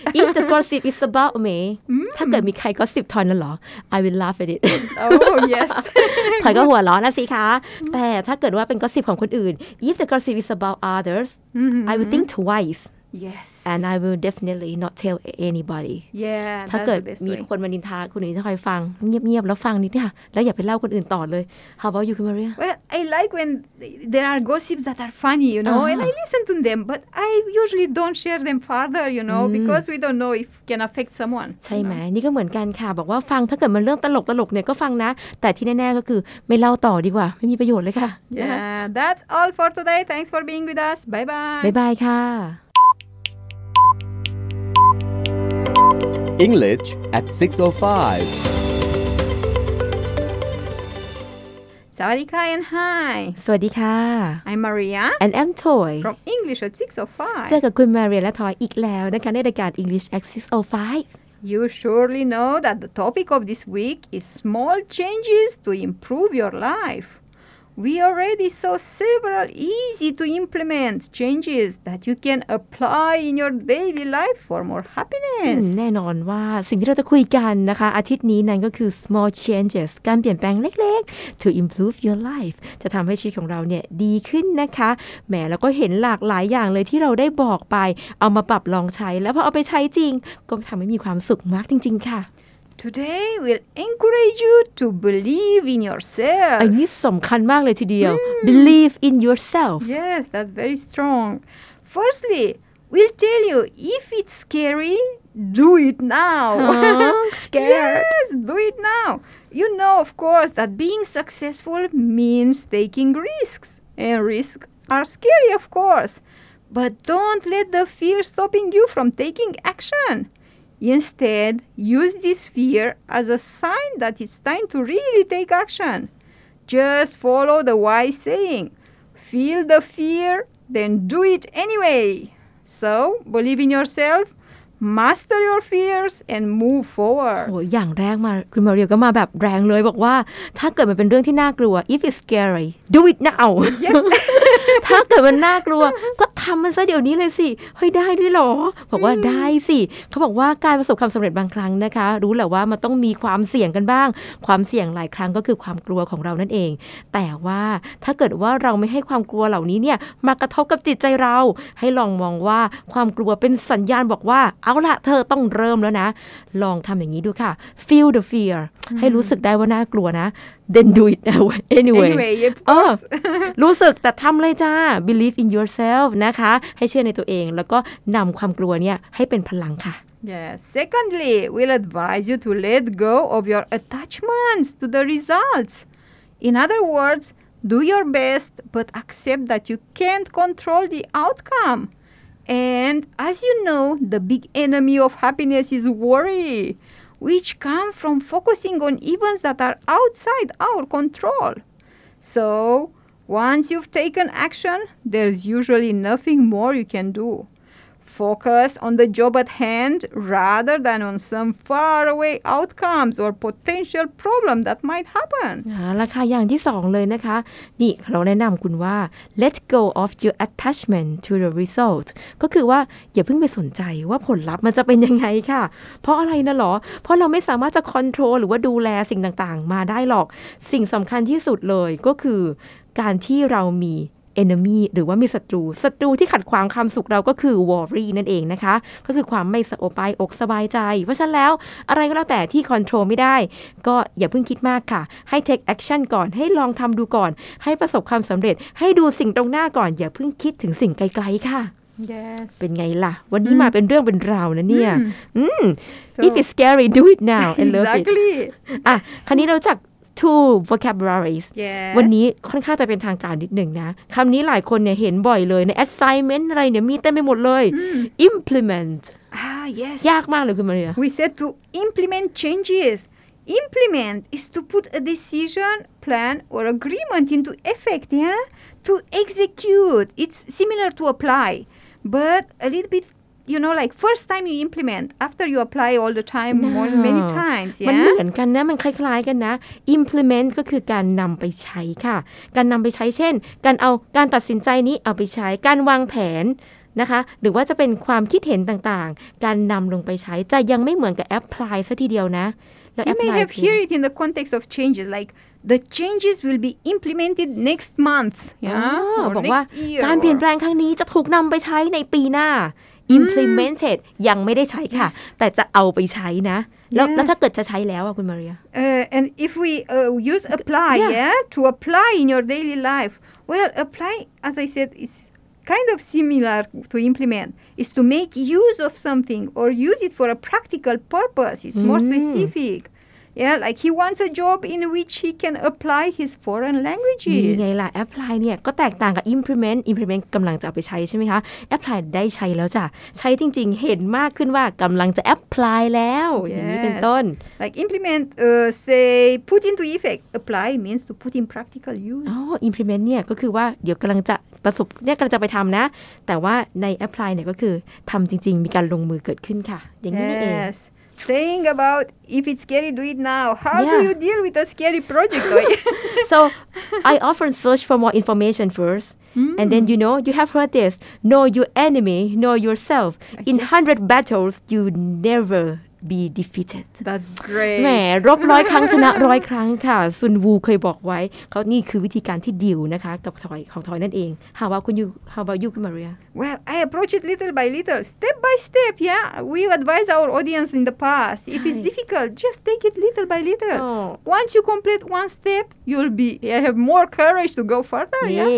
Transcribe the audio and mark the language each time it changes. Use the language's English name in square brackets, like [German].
[English] if the gossip is about me [Thai] ถ้าเกิดมีใครก็สิบทอนนั่นหรอ [English] I will laugh at it oh yes [Thai] ถอยก็หัวร้อนนะสิคะแต่ถ้าเกิดว่าเป็นกอสซิปของคนอื่น [English] if the gossip is about others I will think twice Yes. And I will definitely not tell anybody. Yeah, [Thai] ถ้าเกิดมีคนมานินทาคุณนี่จะคอยฟังเงียบๆแล้วฟังนิดนึงค่ะแล้วอย่าไปเล่าคนอื่นต่อเลย [English] How about you, Maria? Well, I like when there are gossips that are funny, you know, and I listen to them, but I usually don't share them further, you know, because we don't know if can affect someone. [Thai] ใช่ไหมนี่ก็เหมือนกันค่ะบอกว่าฟังถ้าเกิดมันเรื่องตลกๆเนี่ยก็ฟังนะแต่ที่แน่ๆก็คือไม่เล่าต่อดีกว่าไม่มีประโยชน์เลยค่ะ [English] Yeah, that's all for today. Thanks for being with us. Bye bye. Bye bye ค่ะEnglish at 6:05. [Thai] สวัสดีค่ะ and hi. สวัสดีค่ะ [English] I'm Maria and I'm Toy from English at 6:05. [Thai] เจอกับคุณ Maria และ Toy อีกแล้วนะคะในรายการ English at 6:05. [English] You surely know that the topic of this week is small changes to improve your life. We already saw several easy to implement changes that you can apply in your daily life for more happiness. [Thai] แน่นอนว่าสิ่งที่เราจะคุยกันนะคะอาทิตย์นี้นั่นก็คือ [English] small changes [Thai] การเปลี่ยนแปลงเล็กๆ [English] to improve your life [Thai] จะทำให้ชีวิตของเราเนี่ยดีขึ้นนะคะแหมแล้วก็เห็นหลากหลายอย่างเลยที่เราได้บอกไปเอามาปรับลองใช้แล้วพอเอาไปใช้จริงก็ทำให้มีความสุขมากจริงๆค่ะ [English] Today we'll encourage you to believe in yourself. [Thai] อันนี้สำคัญมากเลยทีเดียว [English] Believe in yourself. Yes, that's very strong. Firstly, we'll tell you if it's scary, do it now. Scared? Yes, do it now. You know, of course, that being successful means taking risks, and risks are scary, of course. But don't let the fear stopping you from taking action. Instead, use this fear as a sign that it's time to really take action. Just follow the wise saying, feel the fear, then do it anyway. So, believe in yourself master your fears and move forward [Thai] โอ้อย่างแรกมาคุณมาเรียก็มาแบบแรงเลยบอกว่าถ้าเกิดมันเป็นเรื่องที่น่ากลัว [English] if it's scary do it now yes [Thai] ถ้าเกิดมันน่ากลัว ก็ทำมันซะเดี๋ยวนี้เลยสิเฮ้ยได้ด้วยหรอบอกว่า ได้สิเขาบอกว่าการประสบความสำเร็จบางครั้งนะคะรู้แหละว่ามันต้องมีความเสี่ยงกันบ้างความเสี่ยงหลายครั้งก็คือความกลัวของเรานั่นเองแต่ว่าถ้าเกิดว่าเราไม่ให้ความกลัวเหล่านี้เนี่ยมากระทบกับจิตใจเราให้ลองมองว่าความกลัวเป็นสัญญาณบอกว่าเอาล่ะเธอต้องเริ่มแล้วนะลองทำอย่างนี้ดูค่ะ [English] feel the fear [Thai] ให้รู้สึกได้ว่าน่ากลัวนะ [English] then do it anyway of course [Thai] รู้สึกแต่ทำเลยจ้า [English] believe in yourself [Thai] นะคะให้เชื่อในตัวเองแล้วก็นำความกลัวเนี่ยให้เป็นพลังค่ะ [English] yes secondly we'll advise you to let go of your attachments to the results in other words do your best but accept that you can't control the outcomeAnd as you know, the big enemy of happiness is worry, which comes from focusing on events that are outside our control. So once you've taken action, there's usually nothing more you can do. Focus on the job at hand rather than on some faraway outcomes or potential problem that might happen. [Thai] อย่างที่สองเลยนะคะนี่เราแนะนำคุณว่า [English] let go of your attachment to the result [Thai] ก็คือว่าอย่าเพิ่งไปสนใจว่าผลลัพธ์มันจะเป็นยังไงค่ะเพราะอะไรนะหรอเพราะเราไม่สามารถจะ control หรือว่าดูแลสิ่งต่างๆมาได้หรอกสิ่งสำคัญที่สุดเลยก็คือ การที่เรามีenemy หรือว่ามีศัตรูศัตรูที่ขัดขวางความสุขเราก็คือ worry นั่นเองนะคะก็คือความไม่สบายอกสบายใจเพราะฉะนั้นแล้วอะไรก็แล้วแต่ที่ control ไม่ได้ก็อย่าเพิ่งคิดมากค่ะให้ take action ก่อนให้ลองทำดูก่อนให้ประสบความสำเร็จให้ดูสิ่งตรงหน้าก่อนอย่าเพิ่งคิดถึงสิ่งไกลๆค่ะ [English] yes [Thai] เป็นไงล่ะวันนี้ มาเป็นเรื่องเป็นราวนะเนี่ย [English] so, if it's scary do it now and love exactly. [Thai] it อ่ะคราวนี้เราจะ [English] Two vocabularies yes. [Thai] วันนี้ค่อนข้างจะเป็นทางการนิดหนึ่งนะคำนี้หลายคนเนี่ยเห็นบ่อยเลยใน assignment อะไรเนี่ยมีเต็มไปหมดเลย implement [English] yes [Thai] ยากมากเลยคุณมาเรีย [English] we said to implement changes implement is to put a decision plan or agreement into effect yeah to execute it's similar to apply but a little bitYou know, like first time you implement, after you apply all the time, no. more, many times, yeah? [Thai] มันเหมือนกันนะมันคล้ายๆกันนะ implement ก็คือการนำไปใช้ค่ะการนำไปใช้เช่นการเอาการตัดสินใจนี้เอาไปใช้การวางแผนนะคะหรือว่าจะเป็นความคิดเห็นต่างๆการนำลงไปใช้จะยังไม่เหมือนกับ apply ซะทีเดียวนะ [English] You may have heard it in the context of changes, like the changes will be implemented next month, yeah? [Thai] บอกว่าการเปลี่ยนแปลงครั้งนี้จะถูกนำไปใช้ในปีหน้าimplemented ยังไม่ได้ใช้ค่ะ [English] yes. [Thai] แต่จะเอาไปใช้นะ [English] yes. [Thai] แล้วถ้าเกิดจะใช้แล้วอ่ะคุณมาเรีย [English] and if we use apply yeah. yeah to apply in your daily life well apply as I said is kind of similar to implement is to make use of something or use it for a practical purpose it's more specificYeah, like he wants a job in which he can apply his foreign languages. [Thai] นี่ไงล่ะ apply เนี่ยก็แตกต่างกับ implement. implement กำลังจะเอาไปใช้ใช่ไหมคะ apply ได้ใช้แล้วจ้ะใช้จริงๆเห็นมากขึ้นว่ากำลังจะ apply แล้ว [English] yes. อ [Thai] ย่างนี้เป็นต้น [English] Like implement, say put into effect. apply means to put in practical use. [Thai] อ๋อ implement เนี่ยก็คือว่าเดี๋ยวกำลังจะประสบเนี่ยกำลังจะไปทำนะแต่ว่าใน apply เนี่ยก็คือทำจริงๆมีการลงมือเกิดขึ้นค่ะอย่างนี้ [English] yes. [Thai] เอง [English] thinking about if it's scary do it now how yeah. do you deal with a scary project so I often search for more information first and then you know you have heard this know your enemy know yourself in 100 battles you never be defeated that's great [Thai] แหมรบ100ครั้งชนะ100ครั้งค่ะซุนวูเคยบอกไว้เขานี่คือวิธีการที่ดีลนะคะกับทอยของทอยนั่นเอง [English] how about you [Thai] คุณมาเรีย [English] Well, I approach it little by little, step by step, yeah? We advise our audience in the past. If it's difficult, just take it little by little. Oh. Once you complete one step, you'll be, have more courage to go further, yeah?